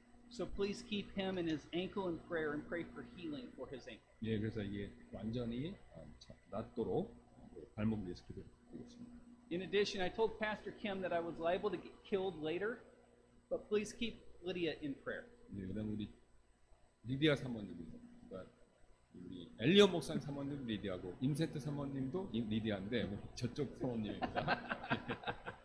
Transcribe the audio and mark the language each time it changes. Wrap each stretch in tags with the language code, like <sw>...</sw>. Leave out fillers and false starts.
<en>So please keep him and his ankle in prayer and pray for healing for his ankle.</en> <ko>예, 그래서 이게 완전히 낫도록 발목 위해서 기도드리겠습니다.</ko> <en>In addition, I told Pastor Kim that I was liable to get killed later, but please keep Lydia in prayer.</en> <ko>예, 그다음 우리 리디아 사모님도, 우리 엘리엄 목사님 사모님도 리디아고 임세트 사모님도 리디아인데 저쪽 사모님입니다.</ko>